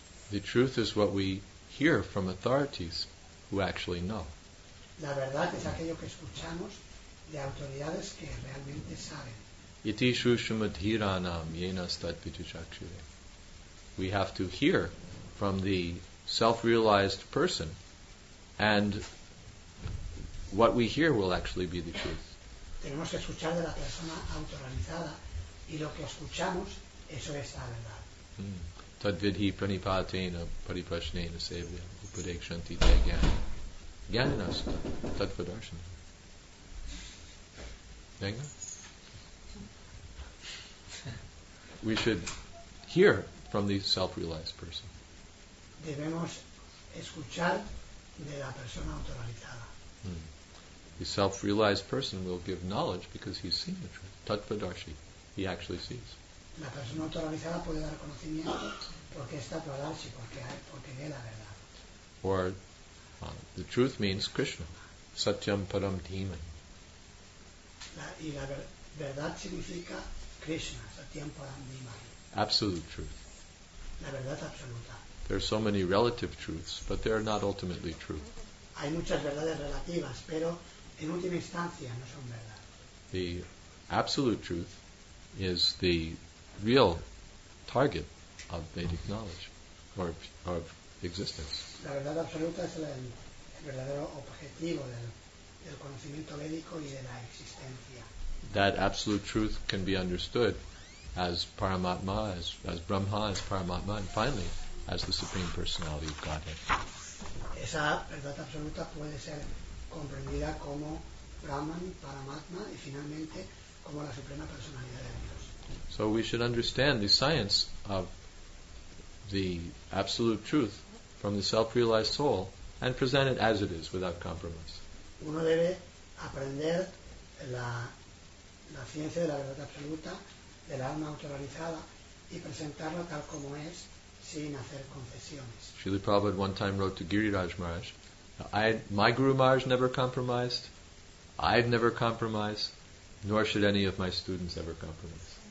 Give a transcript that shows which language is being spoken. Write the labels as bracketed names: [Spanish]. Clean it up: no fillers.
[English] The truth is what we hear from authorities who actually know. [Spanish] La verdad es aquello que escuchamos de autoridades que realmente saben. [Sanskrit] Iti shushumadhiranam yena stadvichachure. [English] We have to hear from the self-realized person, and what we hear will actually be the truth. [Spanish] Tenemos que escuchar de la persona autorrealizada, y lo que escuchamos, eso es la verdad. [Sanskrit] Tadvidhi pranipatena pariprashnena sevya upadekshanti jayana gyananas tadvadarshana. [Spanish] Venga. [English] we should hear from the self-realized person. [Spanish] Debemos escuchar de la persona autorrealizada. Hmm. [English] The self-realized person will give knowledge because he's seen the truth. Tattva-darshi. He actually sees. [Spanish] La persona autorrealizada puede dar conocimiento porque es tattva-darshi, porque ve la verdad. [English] Or the truth means Krishna. [Sanskrit] Satyam param dhiman. [Spanish] La verdad significa Krishna. [Sanskrit] Satyam param dhiman. [English] Absolute truth. [Spanish] La verdad absoluta. [English] There are so many relative truths, but they are not ultimately true. [Spanish] Hay muchas verdades relativas, pero en última instancia no son verdad. [English] The absolute truth is the real target of Vedic knowledge, or of existence. [Spanish] La verdad absoluta es el verdadero objetivo del conocimiento védico y de la existencia. [English] That absolute truth can be understood as Paramatma, as Brahma, as Paramatma, and finally, as the Supreme Personality of Godhead. [Spanish] Esa verdad absoluta puede ser comprendida como Brahman, Paramatma, y finalmente como la Suprema Personalidad de Dios. [English] So we should understand the science of the absolute truth from the self-realized soul and present it as it is, without compromise. [Spanish] Uno debe aprender la ciencia de la verdad absoluta del alma autorrealizada y presentarla tal como es, sin hacer concesiones. [English] Srila Prabhupada one time wrote to Giriraj Maharaj, my Guru Maharaj never compromised, I've never compromised, nor should any of my students ever compromise.